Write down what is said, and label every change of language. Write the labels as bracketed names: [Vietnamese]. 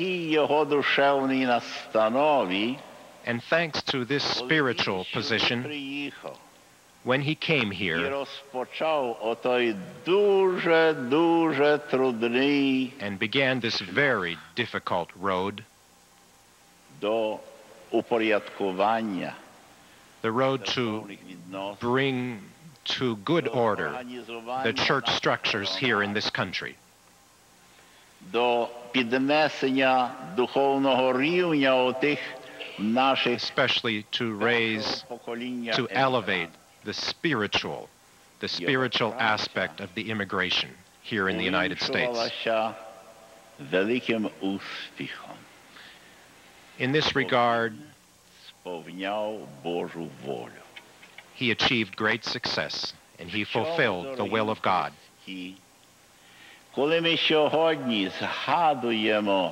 [Ukrainian] Його душевній настанові. [English] And thanks to this spiritual position, when he came here, [Ukrainian] і розпочав отой дуже-дуже трудний [English] and began this very difficult road [Ukrainian] до упорядкування, [English] the road to bring to good order the church structures here in this country. [Ukrainian] До піднесення духовного рівня отих наших, [English] especially to raise, to elevate the spiritual aspect of the immigration here in the United States. [Ukrainian] Великим успіхом. [English] In this regard, [Ukrainian] повняв Божу волю. [English] He achieved great success, and he fulfilled the will of God. [Ukrainian] Коли ми сьогодні згадуємо